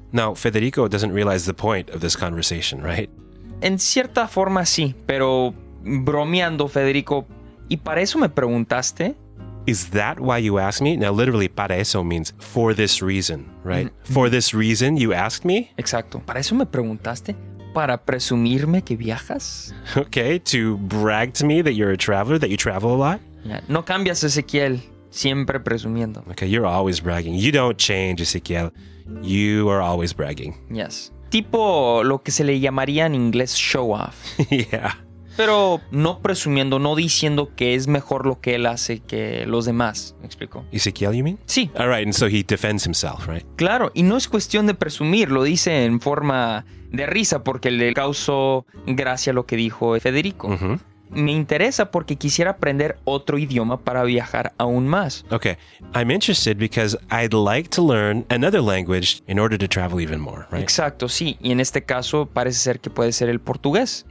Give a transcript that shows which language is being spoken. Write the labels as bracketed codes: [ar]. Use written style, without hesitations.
[en] Now, Federico doesn't realize the point of this conversation, right? [es] En cierta forma sí, pero bromeando, Federico, ¿y para eso me preguntaste? [en] Is that why you asked me? Now, literally, [es] para eso [en] means for this reason, right? Mm-hmm. For this reason you asked me? [es] Exacto. ¿Para eso me preguntaste? ¿Para presumirme que viajas? [en] Okay, to brag to me that you're a traveler, that you travel a lot? Yeah. [es] No cambias, Ezequiel. Siempre presumiendo. [en] Okay, you're always bragging. You don't change, Ezequiel. You are always bragging. Yes. [es] Tipo lo que se le llamaría en inglés show off. [en] Yeah. [es] Pero no presumiendo, no diciendo que es mejor lo que él hace que los demás. ¿Me explico? [en] Ezequiel, you mean? [es] Sí. [en] All right, and so he defends himself, right? [es] Claro, y no es cuestión de presumir. Lo dice en forma de risa porque le causó gracia lo que dijo Federico. Uh-huh. me interesa porque quisiera aprender otro idioma para viajar aún más. [en] Okay, I'm interested because I'd like to learn another language in order to travel even more, right? [es] Exacto, sí. Y en este caso parece ser que puede ser el portugués.